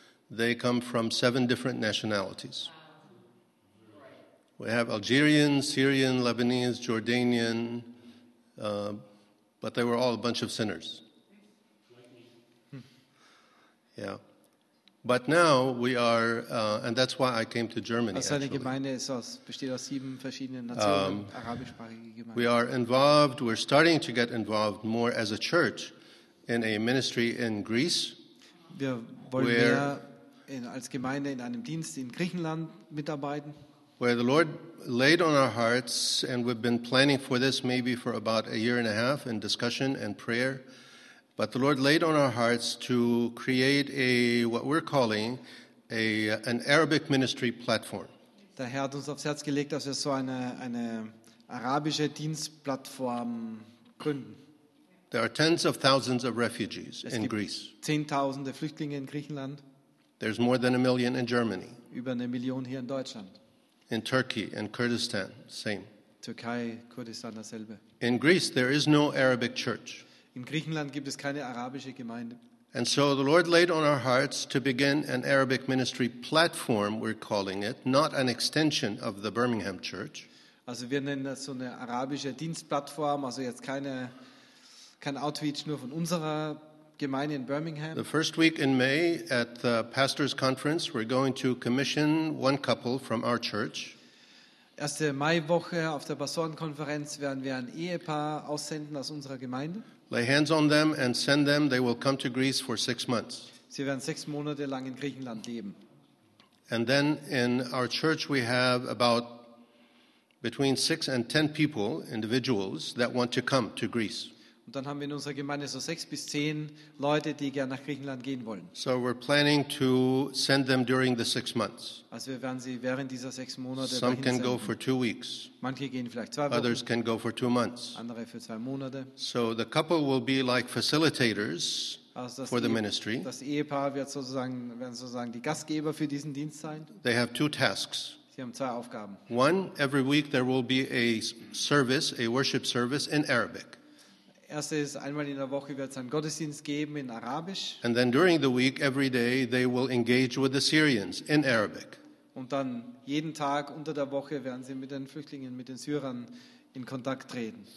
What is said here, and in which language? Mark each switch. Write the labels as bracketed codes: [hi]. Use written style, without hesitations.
[en] They come from 7 different nationalities. We have Algerian, Syrian, Lebanese, Jordanian, but they were all a bunch of sinners. Yeah. But now we are, and that's why I came to Germany, actually. [de] Gemeinde besteht aus 7 verschiedenen Nationen, arabischsprachige Gemeinde. [en] We are involved, we're starting to get involved more as a church in a ministry in Greece. [de] Wir wollen mehr als Gemeinde in einem Dienst in Griechenland mitarbeiten. [en] Where the Lord laid on our hearts, and we've been planning for this maybe for about a year and a half in discussion and prayer, but the Lord laid on our hearts to create what we're calling an Arabic ministry platform. [de] Der Herr hat uns aufs Herz gelegt, dass wir so eine arabische Dienstplattform gründen. [en] There are tens of thousands of refugees in Greece. [de] Zehntausende Flüchtlinge in Griechenland. [en] There's more than 1 million in Germany. [de] Über eine Million hier in Deutschland. [en] In Turkey and Kurdistan, same. [de] Türkei, Kurdistan, dasselbe. [en] In Greece, there is no Arabic church. [de] In Griechenland gibt es keine arabische Gemeinde. [en] And so the Lord laid on our hearts to begin an Arabic ministry platform, we're calling it, not an extension of the Birmingham church. [de] Also wir nennen das so eine arabische Dienstplattform, also jetzt kein Outreach nur von unserer Gemeinde in Birmingham. [en] The first week in May at the pastors' conference, we're going to commission one couple from our church. [de] Erste Maiwoche auf der Pastorenkonferenz werden wir ein Ehepaar aussenden aus unserer Gemeinde. [en] Lay hands on them and send them. They will come to Greece for 6 months. [de] Sie werden 6 Monate lang in Griechenland leben. [en] And then in our church we have about between 6 and 10 people, individuals, that want to come to Greece. [de] Und dann haben wir in unserer Gemeinde so 6 bis 10 Leute, die gerne nach Griechenland gehen wollen. [en] So we're planning to send them during the 6 months. [de] Also wir werden sie während dieser 6 Monate dahin senden. [en] Some can go for 2 weeks. [de] Manche gehen vielleicht 2 Wochen. [en] Others can go for 2 months. [de] Andere für 2 Monate. [en] So the couple will be like facilitators for the ministry. [de] Das Ehepaar werden sozusagen die Gastgeber für diesen Dienst sein. [en] They have 2 tasks. [de] Sie haben 2 Aufgaben. [en] One, every week there will be a worship service in Arabic. [de] Erstens, einmal in der Woche wird es einen Gottesdienst geben in Arabisch. [en] And then during the week, every day, they will engage with the Syrians in Arabic. [de] Und dann jeden Tag unter der Woche werden sie mit den Flüchtlingen, mit den Syrern in Kontakt treten.